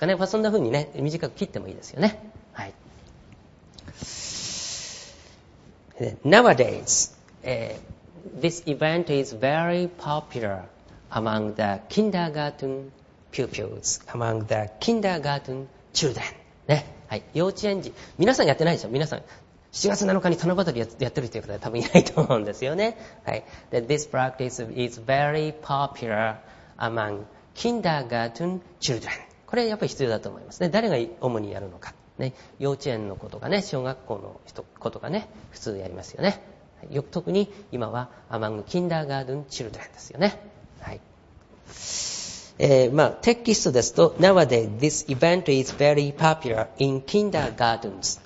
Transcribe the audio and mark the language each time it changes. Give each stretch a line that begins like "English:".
Japanese: かね、まあ、そんな風にね、短く切ってもいいですよね。はい。
English: Nowadays, this event is very popular among the kindergarten pupils, among the kindergarten children.
Japanese: ね。はい。幼稚園児。皆さんやってないでしょ?皆さん。7月7日に七夕やってるという方は多分いないと思うんですよね。はい。
English: This practice is very popular among kindergarten children.
Japanese: これやっぱり必要だと思いますね。誰が主にやるのか。ね、幼稚園の子とかね、小学校の子とかね、普通やりますよね。よく特に今は、
English: among kindergarten children
Japanese: ですよね。はい。まあ、テキストですと、
English: nowadays this event is very popular in kindergartens。